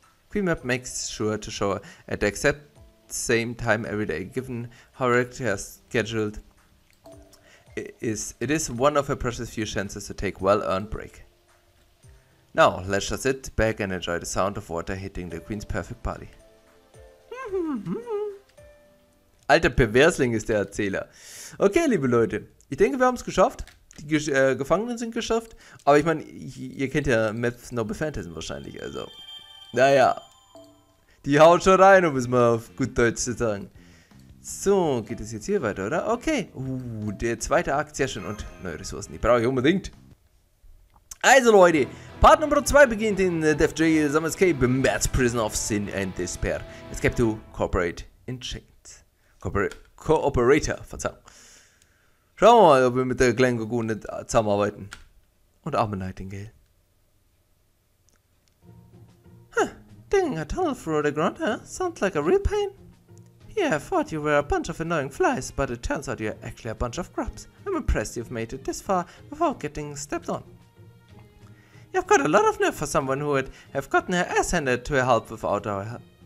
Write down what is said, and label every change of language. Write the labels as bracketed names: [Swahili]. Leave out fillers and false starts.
[English] Queen Map makes sure to show at the exact same time every day. Given how Rick has scheduled, it is one of her precious few chances to take well-earned break. Now, let's just sit back and enjoy the sound of water hitting the Queen's perfect body. [German] Alter Perversling ist der Erzähler. Okay, liebe Leute, Ich denke, wir haben es geschafft. Die Gefangenen sind geschafft. Aber ich meine, ihr kennt ja Math Noble Phantasm wahrscheinlich, also. Naja. Die haut schon rein, um es mal auf gut Deutsch zu sagen. So, geht es jetzt hier weiter, oder? Okay. Der zweite Akt, sehr schön. Und neue Ressourcen, die brauche ich unbedingt. Also Leute, Part Nummer 2 beginnt in Death J. Summer Escape, Mad Prison of Sin and Despair. [English] Escape to Cooperate in Chains. Cooperator, [German] Verzeihung. Schauen wir mal, ob wir mit der Glen Gogu nicht zusammenarbeiten. Und auch mit Nightingale. [English] Huh, digging a tunnel through the ground, huh? Sounds like a real pain. Yeah, I thought you were a bunch of annoying flies, but it turns out you're actually a bunch of grubs. I'm impressed you've made it this far without getting stepped on. You've got a lot of nerve for someone who would have gotten her ass handed to her help without our help.